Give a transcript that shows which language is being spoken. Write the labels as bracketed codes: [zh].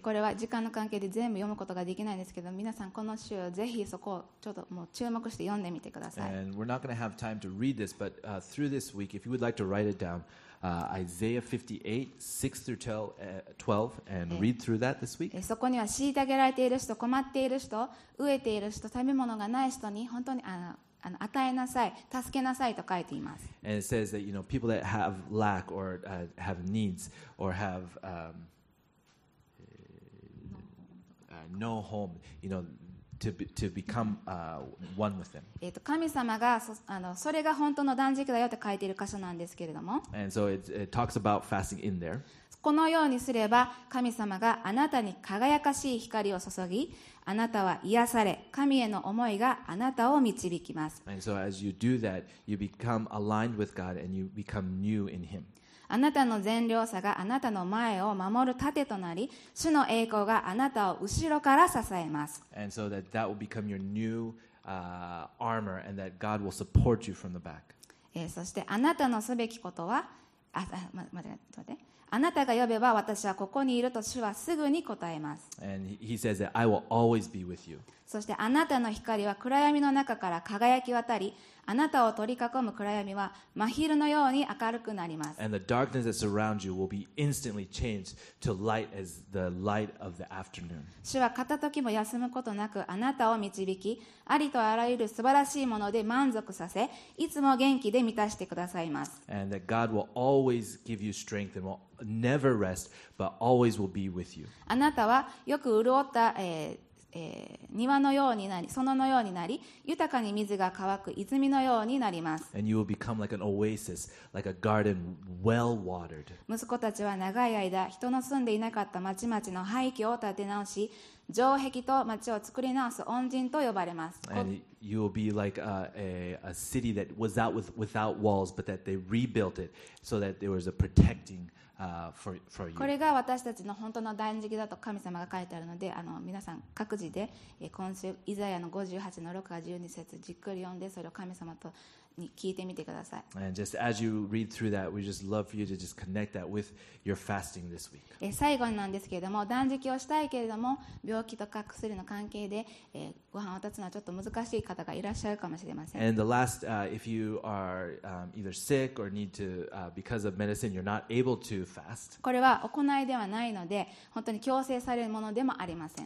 [ja] これは時間の関係で全部読むことができないんですけど、皆さんこの週ぜひそこをちょっともう注目して読んでみてください。 [en] And we're not going to have time to read this, but through this week, if you would like to write it down, Isaiah 58:6-12, and read through that this week. [ja] そこには虐げられている人、困っている人、飢えている人、食べ物がない人に本当に与えなさい、助けなさいと書いています。 [en] And it says that, you know, people that have lack or have needs or have no home, you know, to become one with them. [ja] 神様がそれが本当の断食だよと書いている箇所なんですけれども。 [en] And so it talks about fasting in there. [ja] このようにすれば神様があなたに輝かしい光を注ぎ、あなたは癒され、神への思いがあなたを導きます。 [en] And so as you do that, you become aligned with God and you become new in Him. [ja] あなたの善良さがあなたの前を守る盾となり、主の栄光があなたを後ろから支えます。 [en] And so that will become your new armor and that God will support you from the back. [ja] そしてあなたのすべきことは、待って、あなたが呼べば私はここにいると主はすぐに答えます。 [en] And he says that I will always be with you. [ja] そしてあなたの光は暗闇の中から輝き渡り、あなたを取り囲む暗闇は真昼のように明るくなります。 [en] And the darkness that surrounds you will be instantly changed to light as the light of the afternoon. [ja] 主は片時も休むことなくあなたを導き、ありとあらゆる素晴らしいもので満足させ、いつも元気で満たしてくださいます。 [en] And that God will always give you strength and will never rest but always will be with you. [ja] あなたはよく潤った、庭のようになり、園のようになり、豊かに水が乾く泉のようになります。 [en] And you will become like an oasis, like a garden well watered. [ja] 息子たちは長い間人の住んでいなかった町々の廃墟を建て直し、城壁と町を作り直す恩人と呼ばれます。 [en] And you will be like a city that was out without walls but that they rebuilt it so that there was a protecting [ja] これが私たちの本当の断食だと神様が書いてあるので、皆さん各自で今週イザヤの58:6-12じっくり読んで、それを神様とに聞いてみてください。 [en] And just as you read through that, we just love for you to just connect that with your fasting this week. [ja] 最後なんですけれども、断食をしたいけれども病気とか薬の関係で、ご飯を断つのはちょっと難しい方がいらっしゃるかもしれません。 [en] And the last, if you are either sick or need to, because of medicine, you're not able to fast. [ja] これは行いではないので本当に強制されるものでもありません。